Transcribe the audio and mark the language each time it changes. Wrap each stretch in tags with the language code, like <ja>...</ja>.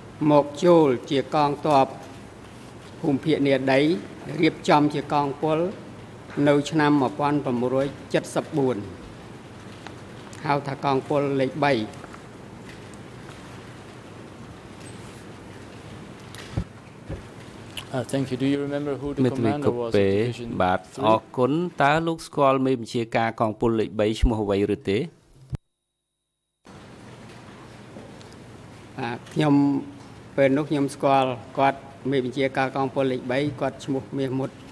<km>បាទអញ្ចឹងគាត់ថាតើមុនឆ្នាំ1975ដែលលោកចង់កែតម្រូវយើងមិនខ្ញុំស្ដាប់ទៅឮអញ្ចឹងខ្ញុំសូមបញ្ជាក់ម្ដងទៀតខ្ញុំចេញពីកងទ័ពតំបន់កម្ពូតមកចូលជាកងទ័ព ភូមិភាគនេដីរៀបចំជាកងពលនៅឆ្នាំ 1974 ហៅថាកងពលលេខ 3</km> <en>Thank you. Do you remember who the commander was in Division 3?</en> <km>អរគុណ. តើលោកស្គាល់មេបញ្ជាការកងពលលេខ3ឈ្មោះអ្វីឬទេ? ខ្ញុំពេលនោះខ្ញុំស្គាល់គាត់មេបញ្ជាការកងពលលេខ3គាត់ឈ្មោះមាសមុត.</km>